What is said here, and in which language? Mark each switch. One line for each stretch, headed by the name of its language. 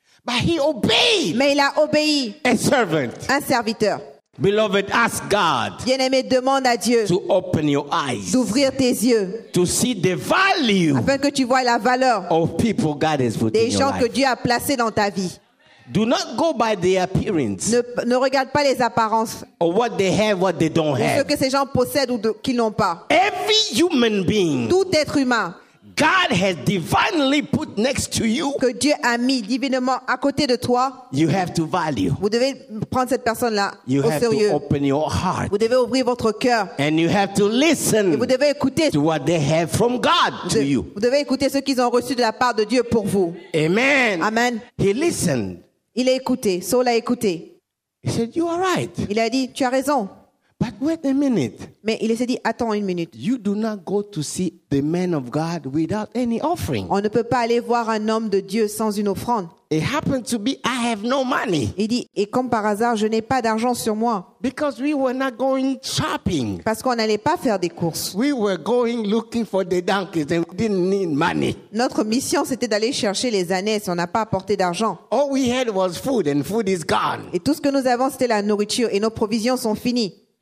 English: But he obeyed.
French: Mais il a obéi.
English: A servant.
French: Un serviteur.
English: Beloved, ask God.
French: Bien-aimé, demande à Dieu.
English: To open your eyes.
French: D'ouvrir tes yeux.
English: To see the value.
French: Afin que tu vois la valeur.
English: Of people God has put in your life.
French: Des gens que Dieu a placés dans ta vie.
English: Do not go by their appearance.
French: Ne regarde pas les apparences.
English: Or what they have, what they don't have.
French: Ce que ces gens possèdent ou qu'ils n'ont pas.
English: Every human being.
French: Tout être humain.
English: God has divinely put next to you.
French: Que Dieu a mis divinement à côté de toi.
English: You have to value.
French: Vous devez prendre cette personne-là
English: you
French: au sérieux.
English: To open your heart.
French: Vous devez ouvrir votre cœur.
English: And you have to listen.
French: Et vous devez écouter.
English: To what they have from God to you.
French: Vous devez écouter ce qu'ils ont reçu de la part de Dieu pour vous.
English: Amen.
French: Amen.
English: He listened.
French: Il a écouté. Saul a écouté.
English: He said, "You are right."
French: Il a dit, tu as raison.
English: But wait a minute.
French: Mais il s'est dit, attends une minute.
English: You do not go to see the man of God without any offering.
French: On ne peut pas aller voir un homme de Dieu sans une offrande.
English: It happened to be I have no money.
French: Il dit, et comme par hasard, je n'ai pas d'argent sur moi.
English: Because we were not going shopping.
French: Parce qu'on n'allait pas faire des courses.
English: We were going looking for the donkeys and we didn't need money.
French: Notre mission c'était d'aller chercher les ânes, on n'a pas apporté d'argent.
English: All we had was food and food is gone.
French: Et tout ce que nous avons c'était la nourriture et nos provisions sont finies.